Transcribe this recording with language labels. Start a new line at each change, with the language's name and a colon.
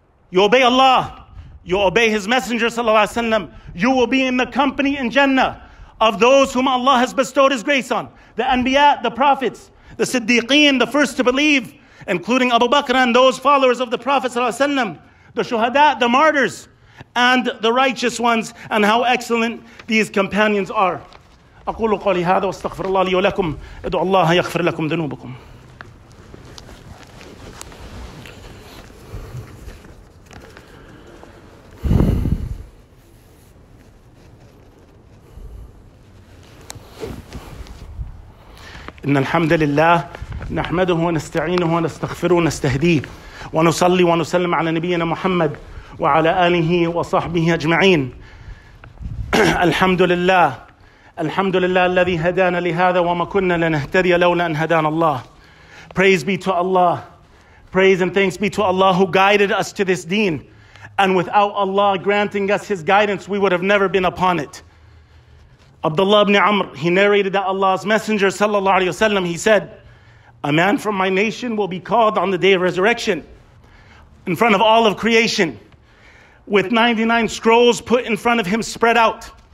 English: You obey Allah, you obey His Messenger sallallahu alayhi wa sallam, you will be in the company in Jannah of those whom Allah has bestowed His grace on. The Anbiya, the Prophets, the Siddiqeen, the first to believe, including Abu Bakr and those followers of the Prophet sallallahu alayhi wa sallam, the Shuhada, the martyrs, and the righteous ones, and how excellent these companions are.
Arabic: أقول قولي هذا واستغفر الله لي ولكم ادعو الله يغفر لكم ذنوبكم. إن الحمد لله نحمده ونستعينه ونستغفره ونستهديه ونصلي ونسلم على نبينا محمد وعلى آله وصحبه أجمعين. الحمد لله. الحمد لله الذي هدانا لهذا وما كنا لنهتدي لولا أن هدانا الله.
English: Praise be to Allah. Praise and thanks be to Allah who guided us to this deen. And without Allah granting us His guidance, we would have never been upon it. Abdullah ibn Amr, he narrated that Allah's Messenger sallallahu alayhi wa sallam, he said, a man from my nation will be called on the day of resurrection in front of all of creation, with 99 scrolls put in front of him spread out.